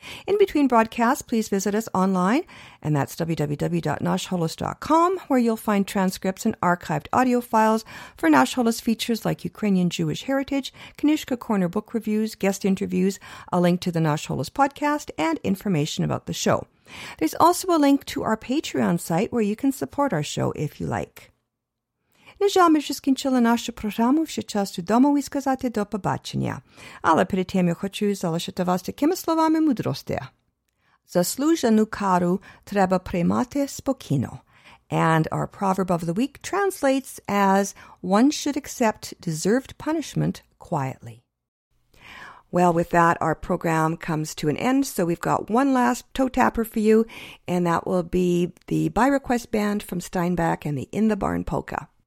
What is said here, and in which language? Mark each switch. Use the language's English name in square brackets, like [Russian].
[English] In between broadcasts, please visit us online, and that's www.nashholos.com, where you'll find transcripts and archived audio files for Nash Holos features like Ukrainian Jewish heritage, Konishka Corner book reviews, guest interviews, a link to the Nash Holos podcast, and information about the show. There's also a link to our Patreon site where you can support our show if you like. [Ukrainian] Нежалми, що скінчили нашу програму, ще час додому і сказати до побачення. Але перед тим я хочу залишити вас такими словами мудрості. Заслужену кару треба приймати спокійно. [English] And our proverb of the week translates as one should accept deserved punishment quietly. Well, with that, our program comes to an end. So we've got one last toe-tapper for you, and that will be the By Request Band from Steinbeck and the In the Barn Polka.